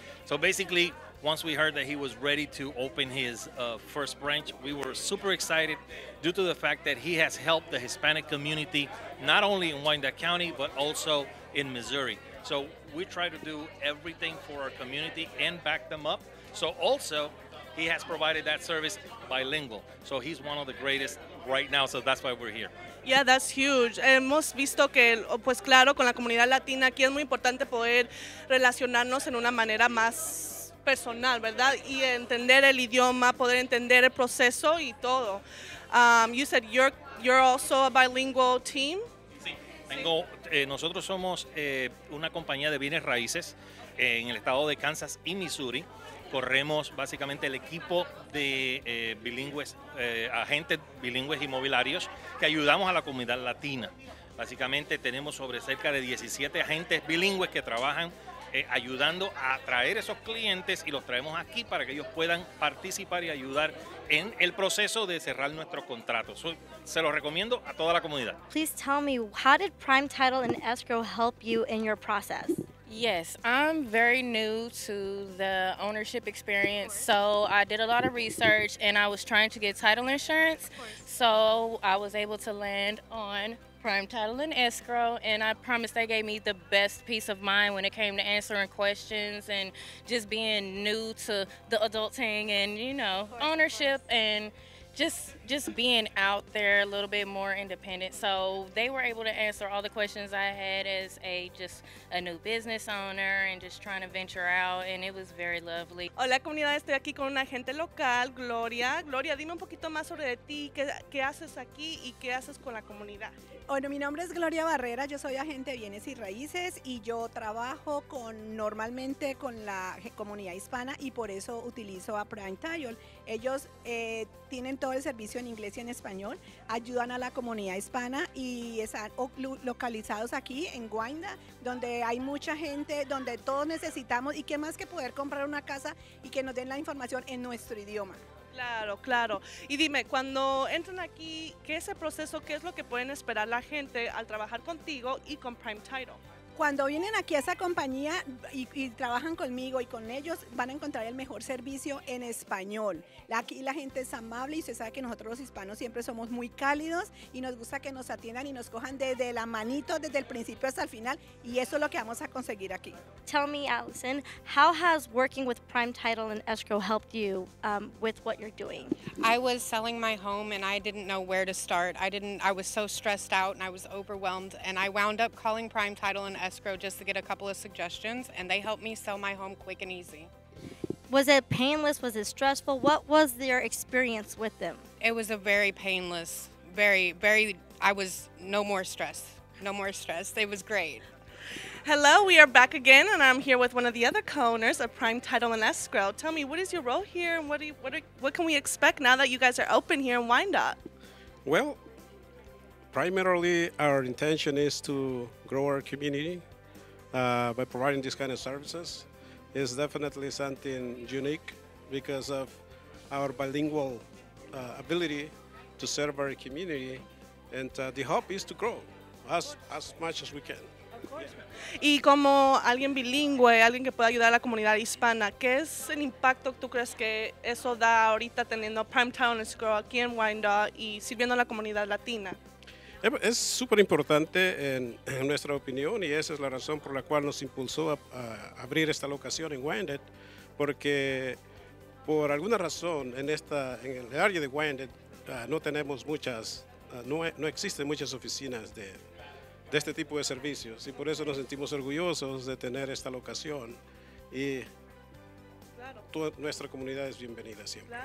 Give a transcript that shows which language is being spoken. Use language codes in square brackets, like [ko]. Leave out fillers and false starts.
[en] So basically, once we heard that he was ready to open his first branch, we were super excited due to the fact that he has helped the Hispanic community, not only in Wyandotte County, but also in Missouri. So we try to do everything for our community and back them up. So also, he has provided that service bilingual. So he's one of the greatest right now, so that's why we're here. Yeah, that's huge. [es] Hemos visto que, pues claro, con la comunidad latina aquí es muy importante poder relacionarnos en una manera más personal, ¿verdad? Y entender el idioma, poder entender el proceso y todo. [en] You said you're also a bilingual team? [es] Sí. Tengo, nosotros somos una compañía de bienes raíces en el estado de Kansas y Missouri. Corremos básicamente el equipo de bilingües, agentes bilingües inmobiliarios que ayudamos a la comunidad latina. Básicamente tenemos sobre cerca de 17 agentes bilingües que trabajan ayudando a atraer esos clientes y los traemos aquí para que ellos puedan participar y ayudar en el proceso de cerrar nuestros contratos. So, se los recomiendo a toda la comunidad. [en] Please tell me, how did Prime Title and Escrow help you in your process? Yes, I'm very new to the ownership experience, so I did a lot of research and I was trying to get title insurance, so I was able to land on Prime Title and Escrow, and I promise they gave me the best peace of mind when it came to answering questions and just being new to the adulting and, you know, ownership and just being out there a little bit more independent. So they were able to answer all the questions I had as a just a new business owner and just trying to venture out, and it was very lovely. [es] Hola comunidad, estoy aquí con una agente local, Gloria. Gloria, dime un poquito más sobre ti, qué haces aquí y qué haces con la comunidad. Bueno, mi nombre es Gloria Barrera, yo soy agente de bienes y raíces y yo trabajo normalmente con la comunidad hispana y por eso utilizo a Prime Title. Ellos tienen todo el servicio en inglés y en español, ayudan a la comunidad hispana y están localizados aquí en Wyandotte, donde hay mucha gente, donde todos necesitamos y qué más que poder comprar una casa y que nos den la información en nuestro idioma. Claro, claro. Y dime, cuando entran aquí, ¿qué es el proceso? ¿Qué es lo que pueden esperar la gente al trabajar contigo y con Prime Title? Cuando vienen aquí a esa compañía y trabajan conmigo y con ellos, van a encontrar el mejor servicio en español. Aquí la gente es amable y usted sabe que nosotros los hispanos siempre somos muy cálidos y nos gusta que nos atiendan y nos cojan desde la manito, desde el principio hasta el final, y eso es lo que vamos a conseguir aquí. [en] Tell me, Allison, how has working with Prime Title and Escrow helped you with what you're doing? I was selling my home and I didn't know where to start. I was so stressed out and I was overwhelmed, and I wound up calling Prime Title and Escrow just to get a couple of suggestions, and they helped me sell my home quick and easy. Was it painless? Was it stressful? What was your experience with them? It was a very painless, I was no more stress. It was great. Hello, we are back again, and I'm here with one of the other co-owners of Prime Title and Escrow. Tell me, what is your role here, and what can we expect now that you guys are open here in Wyandotte? Well, primarily, our intention is to grow our community by providing these kind of services. It's definitely something unique because of our bilingual ability to serve our community. And the hope is to grow as much as we can. Of course. [es] Yeah. Y como alguien bilingüe, alguien que pueda ayudar a la comunidad hispana, ¿qué es el impacto tú crees que eso da ahorita teniendo Prime Town Escrow aquí en Wyandotte y sirviendo a la comunidad latina? Es súper importante en nuestra opinión, y esa es la razón por la cual nos impulsó a abrir esta locación en Wyandotte, porque por alguna razón en el área de Wyandotte no existen muchas oficinas de este tipo de servicios, y por eso nos sentimos orgullosos de tener esta locación y toda nuestra comunidad es bienvenida siempre.